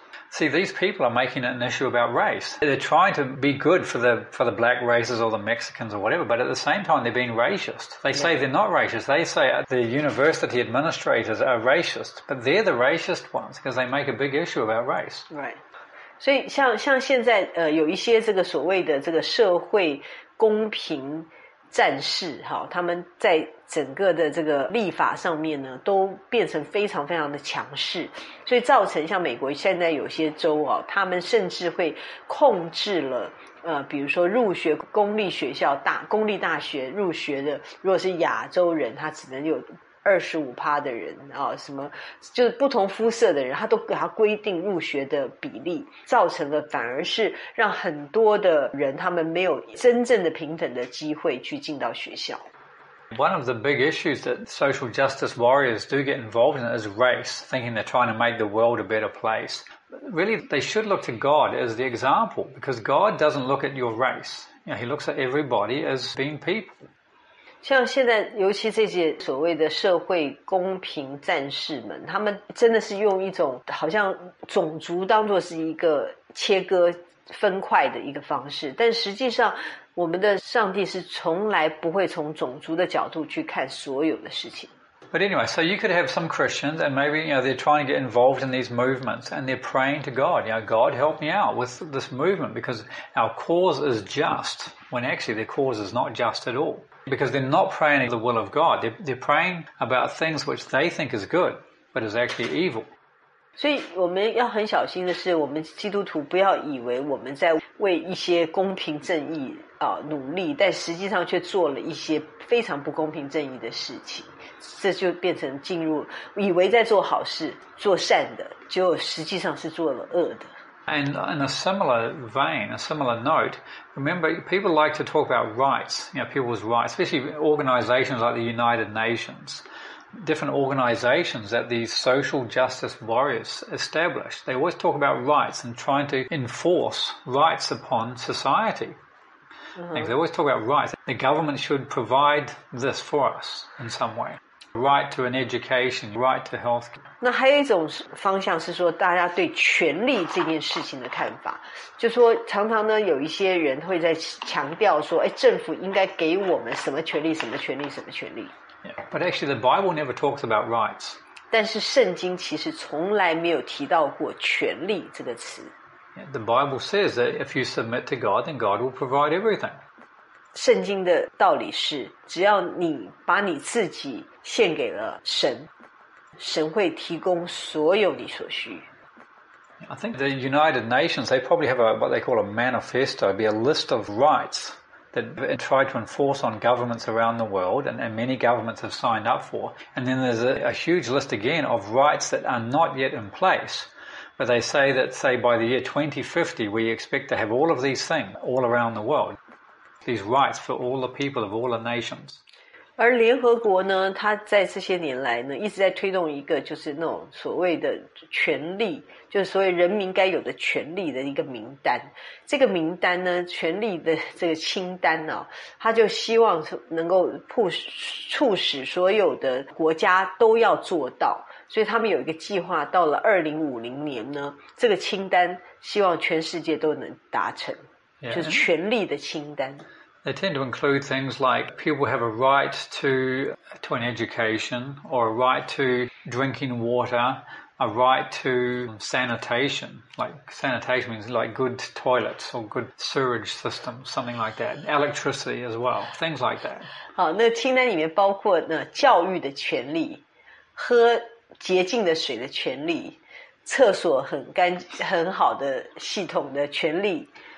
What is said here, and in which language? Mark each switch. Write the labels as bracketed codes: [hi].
[en] See, these people are making it an issue about race. They're trying to be good for the black races or the Mexicans or whatever, but at the same time, they're being racist. They say they're not racist. They say the university administrators are racist, but they're the racist ones because they make a big issue about race. Right. [zh] 所以像现在有一些这个所谓的这个社会公平战士哈，他们在整个的这个立法上面呢都变成非常非常的强势，所以造成像美国现在有些州啊，他们甚至会控制了比如说入学公立学校大公立大学入学的，如果是亚洲人他只能有25% 的人啊，什么就是不同肤色的人，他都给他规定入学的比例，造成了反而是让很多的人他们没有真正的平等的机会去进到学校。 [en] One of the big issues that social justice warriors do get involved in is race, thinking they're trying to make the world a better place. Really, they should look to God as the example, because God doesn't look at your race. Yeah, he looks at everybody as being people. [zh] 像现在，尤其这些所谓的社会公平战士们，他们真的是用一种好像种族当作是一个切割分块的一个方式，但实际上，我们的上帝是从来不会从种族的角度去看所有的事情。 [en] But anyway, so you could have some Christians, and maybe, you know, they're trying to get involved in these movements, and they're praying to God, you know, God help me out with this movement, because our cause is just, when actually their cause is not just at all. Because they're not praying the will of God, they're praying about things which they think is good, but is actually evil. [zh] 所以我们要很小心的是，我们基督徒不要以为我们在为一些公平正义啊努力，但实际上却做了一些非常不公平正义的事情。这就变成进入以为在做好事做善的，就实际上是做了恶的。 [en] And in a similar vein, a similar note, remember people like to talk about rights, you know, people's rights, especially organizations like the United Nations, different organizations that these social justice warriors established. They always talk about rights and trying to enforce rights upon society. Mm-hmm. They always talk about rights. The government should provide this for us in some way. Right to an education, right to health. [zh] 那还有一种方向是说大家对权力这件事情的看法。就说常常呢有一些人会在强调说哎政府应该给我们什么权力什么权力什么权力。 [en] Yeah. But actually the Bible never talks about rights. [zh] 但是圣经其实从来没有提到过权力这个词。 [en] The Bible says that if you submit to God, then God will provide everything. [zh] 圣经的道理是，只要你把你自己献给了神，神会提供所有你所需。 [en] I think the United Nations, they probably have a, what they call a manifesto, be a list of rights that try to enforce on governments around the world, and many governments have signed up for. And then there's a huge list again of rights that are not yet in place. But they say that, say, by the year 2050, we expect to have all of these things all around the world, these rights for all the people of all the nations. [zh] 而联合国呢，它在这些年来呢，一直在推动一个就是那种所谓的权利，就是所谓人民该有的权利的一个名单。这个名单呢，权利的这个清单呢，它就希望能够促使所有的国家都要做到。所以他们有一个计划，到了2050年呢，这个清单希望全世界都能达成， [en] yeah. [zh] 就是权力的清单。 [en] They tend to include things like people have a right to an education, or a right to drinking water, a right to sanitation. Like sanitation means like good toilets or good sewage systems, something like that. Electricity as well, things like that. [zh] 好，那清单里面包括呢教育的权利，喝洁净的水的权利，厕所很干很好的系统的权利。